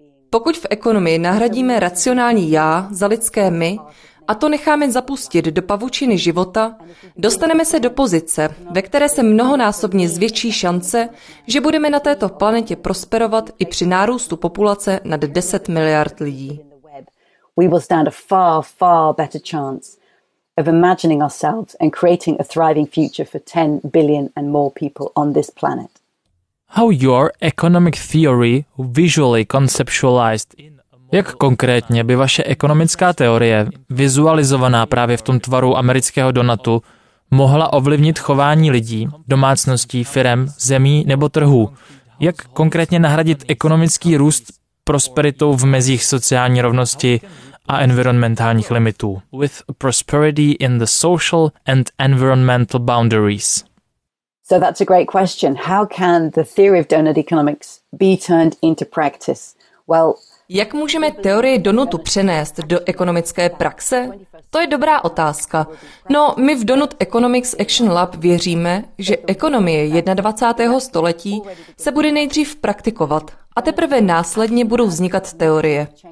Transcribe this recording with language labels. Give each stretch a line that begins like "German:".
Czech: Pokud v ekonomii nahradíme racionální já za lidské my a to necháme zapustit do pavučiny života, dostaneme se do pozice, ve které se mnohonásobně zvětší šance, že budeme na této planetě prosperovat i při nárůstu populace nad 10 miliard lidí.
English: We will stand a far, far better chance of imagining ourselves and creating a thriving future for 10 billion and more people on this planet. How your economic theory visually conceptualized?
Czech: Jak konkrétně by vaše ekonomická teorie, vizualizovaná právě v tom tvaru amerického donutu, mohla ovlivnit chování lidí, domácností, firem, zemí nebo trhů? Jak konkrétně nahradit ekonomický růst prosperitou v mezích sociální rovnosti a environmentálních limitů?
English: With prosperity in the social and environmental boundaries. So that's a great question. How can the theory of donut economics be turned into practice?
Czech: Well, jak můžeme teorii donutu přenést do ekonomické praxe? To je dobrá otázka. No, my v Donut Economics Action Lab věříme, že ekonomie 21. století se bude nejdřív praktikovat a teprve následně budou vznikat teorie.